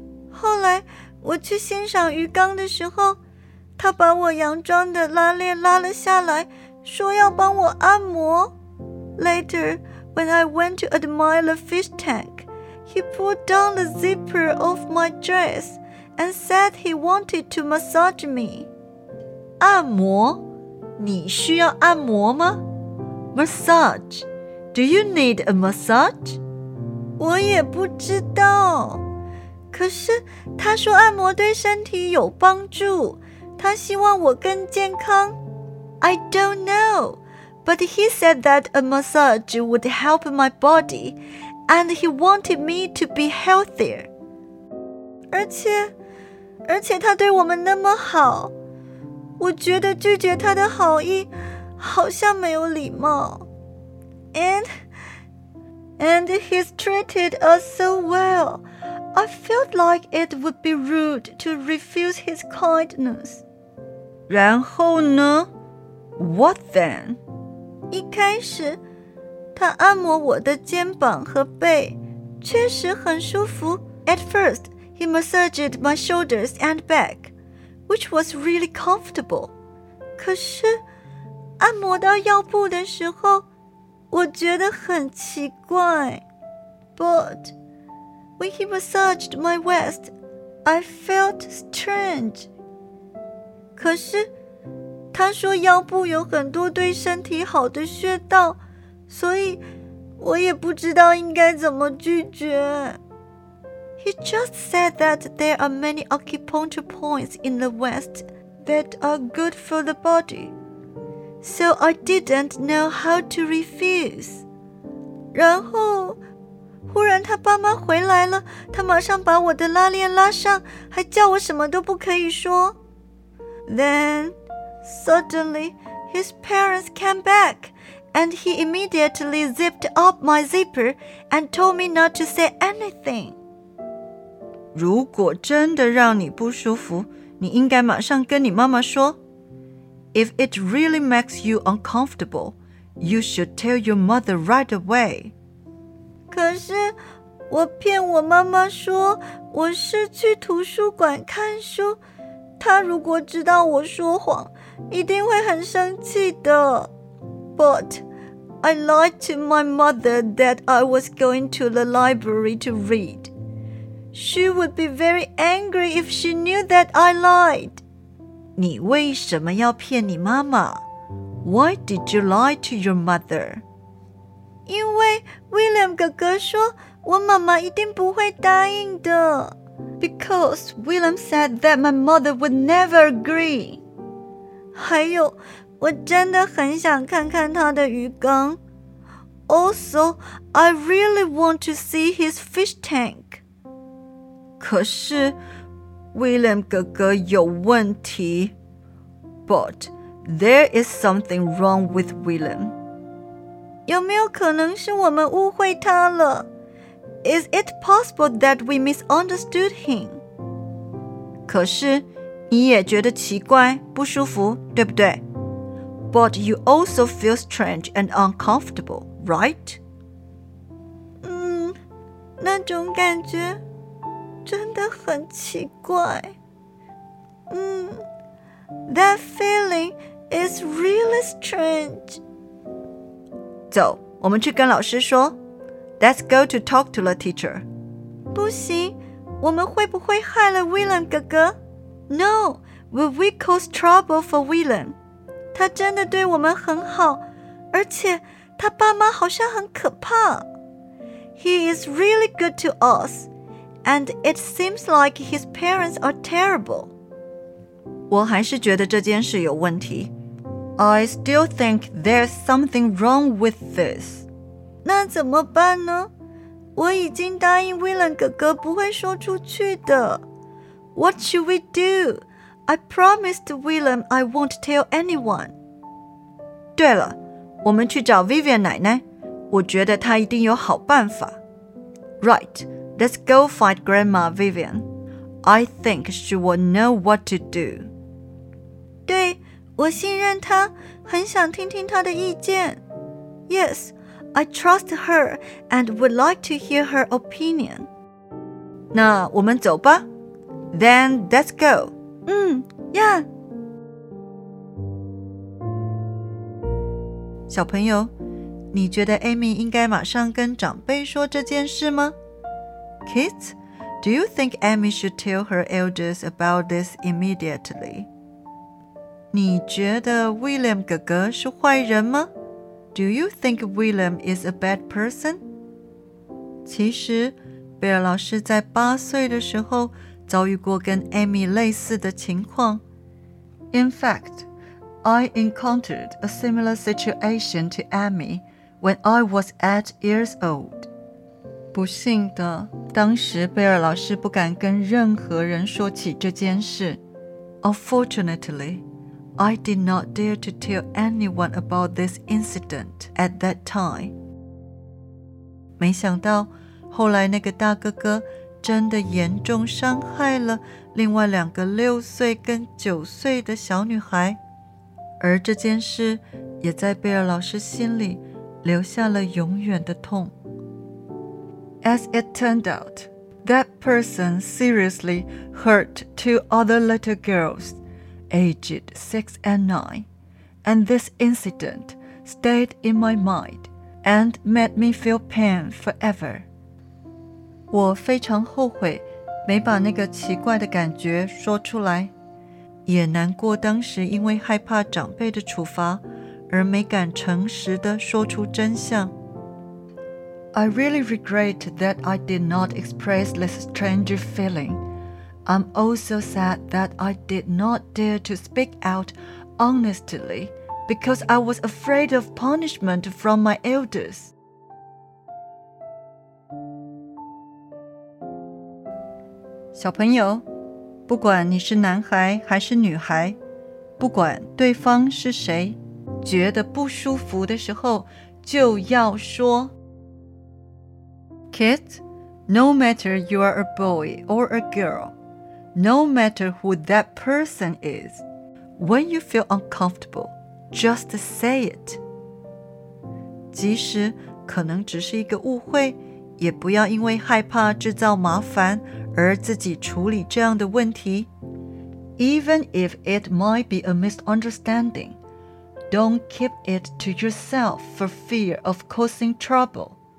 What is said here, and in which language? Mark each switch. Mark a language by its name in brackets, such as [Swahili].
[Chinese] 后来我去欣赏鱼缸的时候，他把我洋装的拉链拉了下来，说要帮我按摩。 [English] Later, when I went to admire the fish tank, he pulled down the zipper of my dress and said he wanted to massage me. [Chinese] 按摩？你需要按摩吗？Massage. [English] Do you need a massage? [Chinese] 我也不知道。可是他说按摩对身体有帮助，他希望我更健康。 [English] I don't know, but he said that a massage would help my body, and he wanted me to be healthier. [Chinese] 而且他对我们那么好，我觉得拒绝他的好意好像没有礼貌。 [English] And he's treated us so well. I felt like it would be rude to refuse his kindness. [Chinese] 然后呢? [English] What then? [Chinese] 一开始，他按摩我的肩膀和背，确实很舒服。 [English] At first, he massaged my shoulders and back, which was really comfortable. [Chinese] 可是，按摩到腰部的时候，我觉得很奇怪。 [English] But when he massaged my waist, I felt strange. [Chinese] 可是他说腰部有很多对身体好的穴道，所以我也不知道应该怎么拒绝。 [English] He just said that there are many acupuncture points in the West that are good for the body. So I didn't know how to refuse. [Chinese] 然后忽然他爸妈回来了，他马上把我的拉链拉上，还叫我什么都不可以说。 [English] Then, suddenly, his parents came back, and he immediately zipped up my zipper and told me not to say anything. [Chinese] 如果真的让你不舒服，你应该马上跟你妈妈说。 [English] If it really makes you uncomfortable, you should tell your mother right away. [Chinese] 可是我骗我妈妈说我是去图书馆看书，他如果知道我说谎，一定会很生气的。 [English] But I lied to my mother that I was going to the library to read. She would be very angry if she knew that I lied. [Chinese] 你为什么要骗你妈妈? [English] Why did you lie to your mother? [Chinese] 因为 William 哥哥说我妈妈一定不会答应的。 [English] Because William said that my mother would never agree. [Chinese] 还有，我真的很想看看他的鱼缸。 [English] Also, I really want to see his fish tank. [Chinese] 可是 William 哥哥有问题。 [English] But there is something wrong with William. [Chinese] 有没有可能是我们误会他了？ [English] Is it possible that we misunderstood him? [Chinese] 可是你也觉得奇怪，不舒服，对不对? [English] But you also feel strange and uncomfortable, right? [Chinese] 那种感觉真的很奇怪。 [English] That feeling is really strange. [Chinese] 走，我们去跟老师说。 [English] Let's go to talk to the teacher. [Chinese] 不行，我们会不会害了 Willem 哥哥？ [English] No, will we cause trouble for Willem? [Chinese] 他真的对我们很好，而且他爸妈好像很可怕。 [English] He is really good to us, and it seems like his parents are terrible. [Chinese] 我还是觉得这件事有问题。 [English] I still think there's something wrong with this. [Chinese] 那怎么办呢？我已经答应 Willem 哥哥不会说出去的。 [English] What should we do? I promised Willem I won't tell anyone. [Chinese] 对了，我们去找 Vivian 奶奶，我觉得她一定有好办法。 [English] Right, let's go find Grandma Vivian. I think she will know what to do. [Chinese] 对，我信任她，很想听听她的意见。 [English] Yes, I trust her and would like to hear her opinion. [Chinese] 那我们走吧。 [English] Then let's go. [Chinese] 呀。小朋友，你觉得 Amy 应该马上跟长辈说这件事吗？ [English] Kids, do you think Amy should tell her elders about this immediately? [Chinese] 你觉得 William 哥哥是坏人吗？ [English] Do you think William is a bad person? [Chinese] 其实，贝尔老师在八岁的时候遭遇过跟 Amy 类似的情况。 [English] In fact, I encountered a similar situation to Amy when I was 8 years old. [Chinese] 不幸的，当时贝尔老师不敢跟任何人说起这件事。 [English] Unfortunately, I did not dare to tell anyone about this incident at that time. [Chinese] 没想到，后来那个大哥哥真的严重伤害了另外两个六岁跟九岁的小女孩，而这件事也在贝尔老师心里留下了永远的痛。 [English] As it turned out, that person seriously hurt two other little girls, aged 6 and 9, and this incident stayed in my mind and made me feel pain forever. [Chinese] 我非常后悔没把那个奇怪的感觉说出来，也难过当时因为害怕长辈的处罚而没敢诚实地说出真相。 [English] I really regret that I did not express this strange feeling. I'm also sad that I did not dare to speak out honestly because I was afraid of punishment from my elders. [Chinese] 小朋友，不管你是男孩还是女孩，不管对方是谁，觉得不舒服的时候就要说。 [English] Kids, no matter you are a boy or a girl, no matter who that person is, when you feel uncomfortable, just say it. [Chinese] 即使可能只是一个误会，也不要因为害怕制造麻烦而自己处理这样的问题。 [English] Even if it might be a misunderstanding, don't keep it to yourself for fear of causing trouble.